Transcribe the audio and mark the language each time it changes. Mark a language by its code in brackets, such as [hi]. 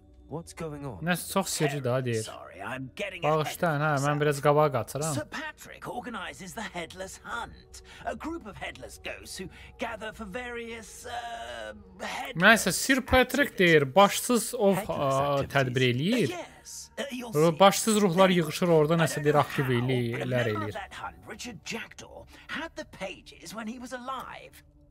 [az] Nəsə çox sirri də deyir. Bağışlayın, ha, mən biraz qabağa qaçıram. [en] Sir Patrick organizes the headless hunt. A group of headless ghosts who gather for various headless... [az] Nəsə, Sir Patrick deyir, başsız ov tədbir eləyir. Başsız ruhlar yığışır orada, nəsə deyir, aktiv eləyirlər eləyir. [en] Richard Jackdaw had the pages when he was alive.